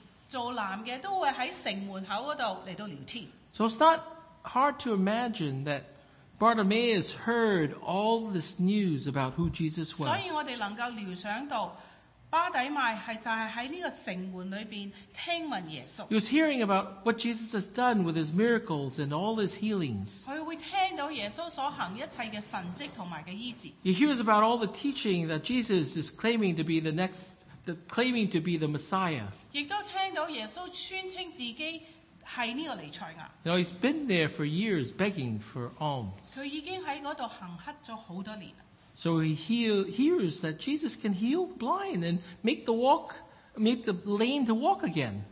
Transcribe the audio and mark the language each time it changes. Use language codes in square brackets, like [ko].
[en] So it's not hard to imagine that Bartimaeus heard all this news about who Jesus was. [zh] 所以我们能够联想到, 巴底迈是就是在这个城门里面听闻耶稣。 [en] He was hearing about what Jesus has done with his miracles and all his healings. [zh] 他会听到耶稣所行一切的神迹和医治。 [en] He hears about all the teaching that Jesus is claiming to be the next, the, claiming to be the Messiah. [zh] 亦都听到耶稣宣称自己 [en] You know, he's been there for years begging for alms. So he hears that Jesus can heal the blind and make the lame to walk again.